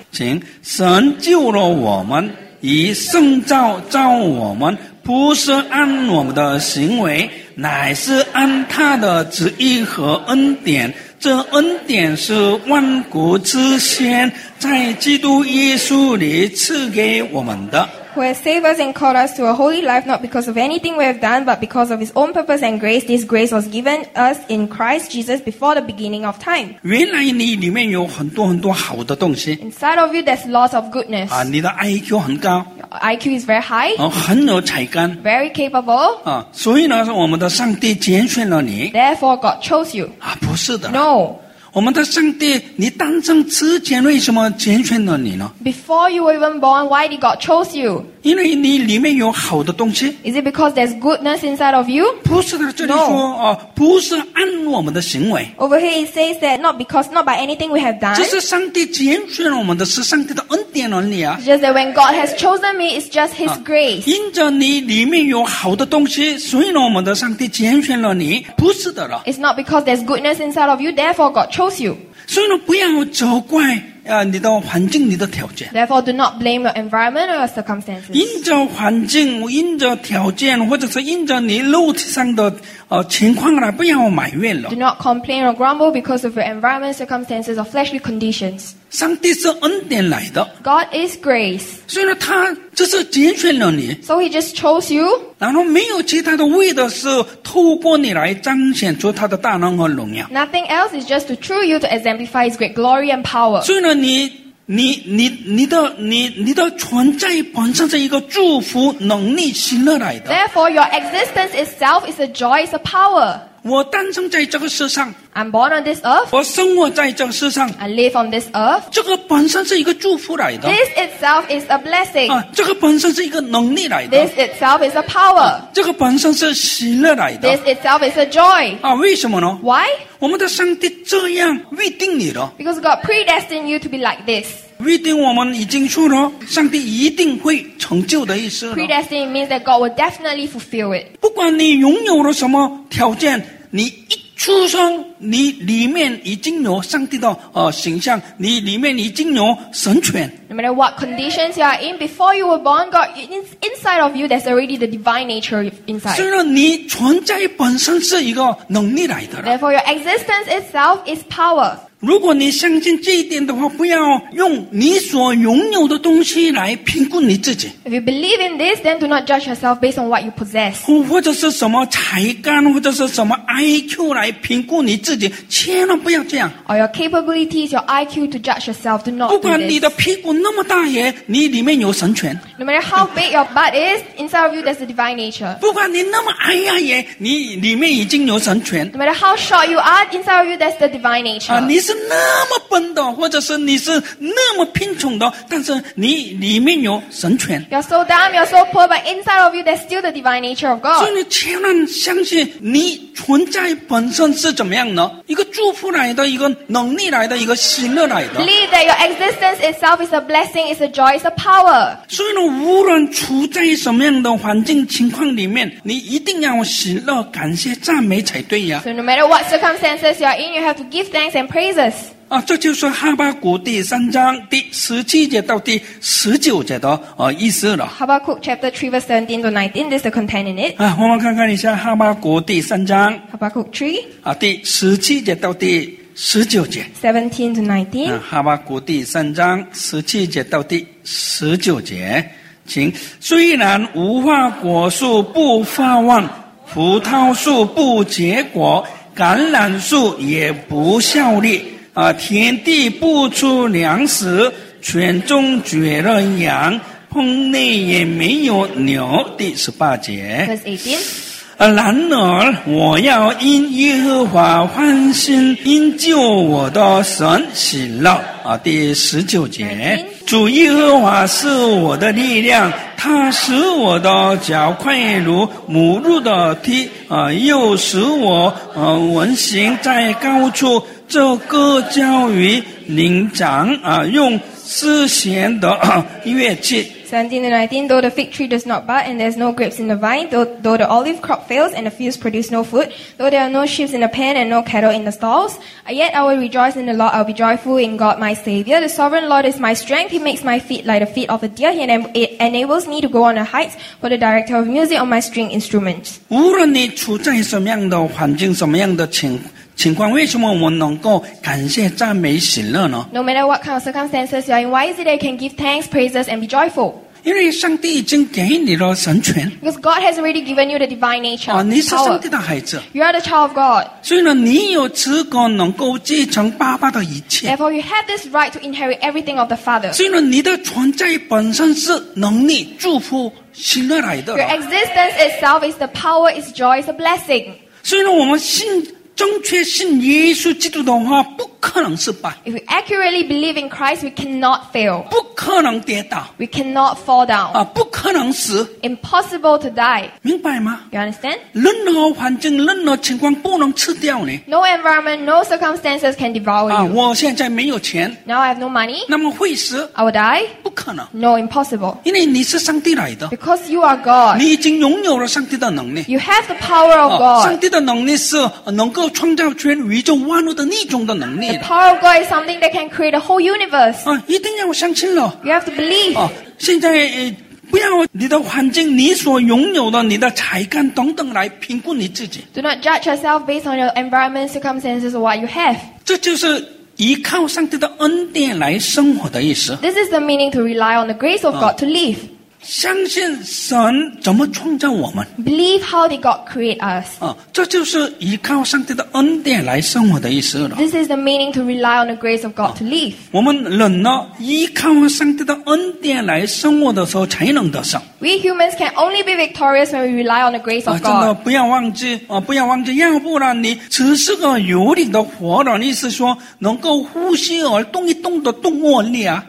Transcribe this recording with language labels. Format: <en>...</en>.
<zh>请神救了我们，以圣召召我们，不是按我们的行为，乃是按他的旨意和恩典。这恩典是万古之先，在基督耶稣里赐给我们的。</zh> <en>who has saved us and called us to a holy life not because of anything we have done, but because of his own purpose and grace. This grace was given us in Christ Jesus before the beginning of time.</en> <zh>原来你里面有很多很多好的东西。</zh> <en>Inside of you, there's lots of goodness.</en> <zh>啊，你的 IQ 很高。</zh> <en>IQ is very high.</en> <zh>啊，很有才干。</zh> <en>Very capable.</en> <zh>啊，所以呢，我们的上帝拣选了你。</zh> <en>Therefore, God chose you.</en> <zh>啊，不是的。</zh> <en>No.</en> <zh>我们的上帝，你诞生之前为什么拣选了你呢</zh> <en>？Before you were even born, why did God choose you?</en> <zh>因为你里面有好的东西。</zh> <en>Is it because there's goodness inside of you?</en> <zh>不是的，这里说、</zh> <en>no.</en> <zh>不是按我们的行为。</zh> <en>Over here it says that not by anything we have done.</en> <zh>这是上帝拣选我们的，是上帝的恩典而已啊。</zh> <en>Just that when God has chosen me, it's just His grace.</en> <zh>因着你里面有好的东西，所以我们的上帝拣选了你，不是的了。</zh> <en>It's not because there's goodness inside of you, therefore God chose.</en> <zh>所以呢，不要责怪你的环境、你的条件。</zh> <en>Therefore, do not blame your environment or your circumstances.</en> <zh>因着环境、因着条件，或者是因着你肉体上的情况呢，不要埋怨了。</zh> <en>Do not complain or grumble because of your environment, circumstances, or fleshly conditions.</en> <zh>上帝是恩典来的。</zh> <en>God is grace.</en> <zh>所以呢，他就是拣选了你。</zh> <en>So He just chose you.</en> <zh>然后没有其他的，为的是透过你来彰显出他的大能和荣耀。</zh> <en>Nothing else is just to through you to exemplify His great glory and power.</en> <zh>所以呢，你的存在本身是一个祝福、能力、喜乐来的。</zh> <en>Therefore, your existence itself is a joy, is a power.</en> <zh>我诞生在这个世上</zh> <en>I'm born on this earth</en> <zh>我生活在这个世上</zh> <en>I live on this earth</en> <zh>这个本身是一个祝福来的</zh> <en>This itself is a blessing</en> <zh>这个本身是一个能力来的</zh> <en>This itself is a power</en> <zh>这个本身是喜乐来的</zh> <en>This itself is a joy</en> <zh>为什么呢</zh> <en>Why?</en> <zh>我们的上帝这样预定你了</zh> <en>Because God predestined you to be like this</en> <zh>预定我们已经说了上帝一定会成就的意思</zh> <en>Predestined means that God will definitely fulfill it</en> <zh>不管你拥有了什么条件你一出生你里面已经有上帝的形象你里面已经有神权</zh> <en>No matter what conditions you are in before you were born God inside of you there's already the divine nature inside</en> <zh>虽然你存在本身是一个能力来的</zh> <en>Therefore your existence itself is power</en> <zh>如果你相信这一点的话，不要用你所拥有的东西来评估你自己。</zh> <en>If you believe in this, then do not judge yourself based on what you possess.</en> <zh>或者是什么才干，或者是什么 IQ 来评估你自己，千万不要这样。</zh> <en>Or your capabilities, your IQ to judge yourself, do not.</en> <zh>不管你的屁股那么大也，你里面有神权。</zh> <en>No matter how big your butt is, inside of you there's a divine nature.</en> <zh>不管你那么矮呀也，你里面已经有神权。</zh> <en>No matter how short you are, inside of you there's the divine nature.</en> <zh>你是那么笨的，或者是你是那么贫穷的，但是你里面有神权。</zh> <en>You're so dumb, you're so poor, but inside of you there's still the divine nature of God.</en> <zh>所以你千万相信你存在本身是怎么样呢？一个祝福来的，一个能力来的，一个喜乐来的。</zh> <en>Believe that your existence itself is a blessing, is a joy, is a power.</en> <zh>所以呢，无论处在什么样的环境情况里面，你一定要喜乐、感谢、赞美才对呀。</zh> <en>So no matter what circumstances you are in, you have to give thanks and praise.</en> <zh>这就是哈巴谷第三章第十七节到第十九节的意思了。</zh> <en>Habakkuk chapter 3 verse 17 to 19, this is the content in it.</en> <zh>我们看看一下哈巴谷第三章。</zh> <en>Habakkuk 3.</en> <zh>第十七节到第十九节。</zh> <en>17 to 19.</en> <zh>哈巴谷第三章十七节到第十九节。请。虽然无花果树不发旺，葡萄树不结果，橄榄树也不效力田地不出粮食犬中绝了羊棚内也没有牛第十八节</zh> <en>Verse</en> <zh>18然而我要因耶和华欢心因救我的神喜乐第十九节、</zh> <en>19.</en> <zh>主耶和华是我的力量他使我的脚快如母鹿的蹄又使我稳行在高处这歌交于灵长用丝弦的乐器</zh> <en>17 and 19 Though the fig tree does not bud and there's no grapes in the vine though the olive crop fails and the fields produce no food though there are no sheep in the pen and no cattle in the stalls yet I will rejoice in the Lord I will be joyful in God my Savior The sovereign Lord is my strength He makes my feet like the feet of a deer He enables me to go on the heights for the director of music on my string instrument</en> <zh>无论你处在什么样的环境什么样的情况为什么我们能够感谢赞美喜乐呢</zh> <en>No matter what kind of circumstances you are in, why is it that you can give thanks, praises, and be joyful?</en> <zh>因为上帝已经给你了神权。</zh> <en>Because God has already given you the divine nature.</en> <zh>你是上帝的孩子。</zh> <en>You are the child of God.</en> <zh>所以呢，你有资格能够继承爸爸的一切。</zh> <en>Therefore, you have this right to inherit everything of the Father.</en> <zh>所以呢，你的存在本身是能力、祝福、喜乐来的。</zh> <en>Your existence itself is the power, is joy, is a blessing.</en> <zh>所以呢，我们信。正确信耶稣基督的话，不可能失败。</zh> <en>If we accurately believe in Christ, we cannot fail.</en> <zh>不可能跌倒。</zh> <en>We cannot fall down.</en> <zh>啊，不可能死。</zh> <en>Impossible to die.</en> <zh>明白吗</zh> <en>？You understand?</en> <zh>任何环境、任何情况不能吃掉你。</zh> <en>No environment, no circumstances can devour you.</en> <zh>啊，我现在没有钱。</zh> <en>Now I have no money.</en> <zh>那么会死</zh> <en>？I will die.</en> <zh>不可能。</zh> <en>No, impossible.</en> <zh>因为你是上帝来的。</zh> <en>Because you are God.</en> <zh>你已经拥有了上帝的能力。</zh> <en>You have the power of God.</en> <zh>上帝的能力是能够。创造全宇宙万物的逆中的能力。</zh> <en>The power of God is something that can create a whole universe.</en> <zh>啊，一定要相信了。</zh> <en>You have to believe.</en> <zh>啊，现在不要你的环境、你所拥有的、你的才干等等来评估你自己。</zh> <en>Do not judge yourself based on your environment, circumstances, or what you have.</en> <zh>这就是依靠上帝的恩典来生活的意思。</zh> <en>This is the meaning to rely on the grace of God to live.</en> <zh>相信神怎么创造我们</zh> <en>Believe how did God create us、</en> <zh>啊、这就是依靠上帝的恩典来生活的意思了</zh> <en>This is the meaning to rely on the grace of God、啊、to live</en> <zh>我们人呢依靠上帝的恩典来生活的时候才能得胜</zh> <en>We humans can only be victorious when we rely on the grace of God、</en> <zh>啊、真的不要忘记、啊、不要忘记要不然你只是个有灵的活人意思说能够呼吸而动一动的动物而已、啊、</zh>